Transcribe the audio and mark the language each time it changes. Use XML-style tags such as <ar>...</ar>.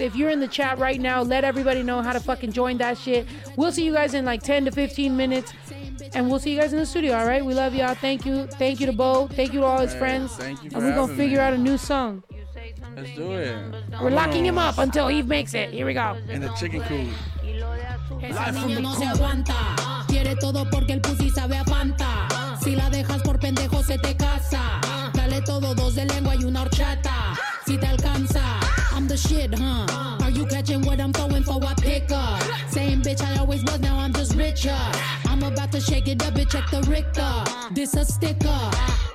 <en>If you're in the chat right now, let everybody know how to fucking join that shit. We'll see you guys in like 10 to 15 minutes. And we'll see you guys in the studio, all right? We love y'all. Thank you. Thank you to Bo. Thank you to all his friends. Thank you for and we're going to figure me out a new song. Let's do it. We're locking him up until he makes it. Here we go. In the chicken coop. Life from the coop.</en> <es>Quiere todo porque el pussy sabe a panta. Si la dejas por pendejo se te casa. Dale todo, dos de lengua y una horchata. Si te alcanza.</es> <en>I'm the shit, huh? Are you catching what I'm throwing for? I pick up. Same bitch I always was, now I'm just richer. I'm about to shake it up and check the Richter. This a sticker.</en>